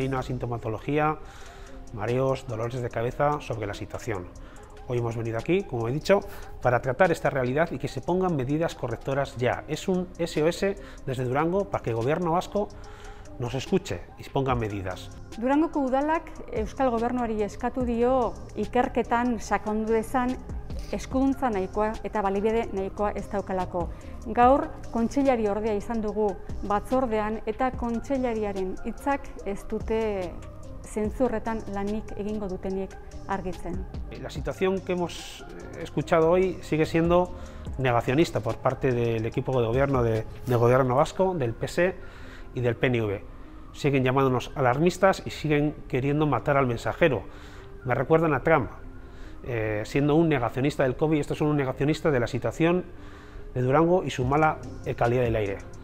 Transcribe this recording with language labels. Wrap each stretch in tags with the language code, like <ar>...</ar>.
<es>Hay una sintomatología, mareos, dolores de cabeza sobre la situación. Hoy hemos venido aquí, como he dicho, para tratar esta realidad y que se pongan medidas correctoras ya. Es un SOS desde Durango para que el Gobierno vasco nos escuche y ponga medidas.</es> <eu>Durangoko udalak Euskal Gobernuari eskatu dio ikerketan sakondu dezan eskuduntza nahikoa eta baliabide nahikoa ez daukalako. Gaur, kontseilari ordea izan dugu batzordean eta kontseilariaren hitzak ez dute zentzurretan lanik egingo dutenik argitzen.</eu> <es>La situación que hemos escuchado hoy sigue siendo negacionista por parte del equipo de gobierno del Gobierno vasco, del PSE y del PNV. Siguen llamándonos alarmistas y siguen queriendo matar al mensajero. Me recuerdan a Trump, siendo un negacionista del COVID, estos son un negacionista de la situación de Durango y su mala calidad del aire.</es>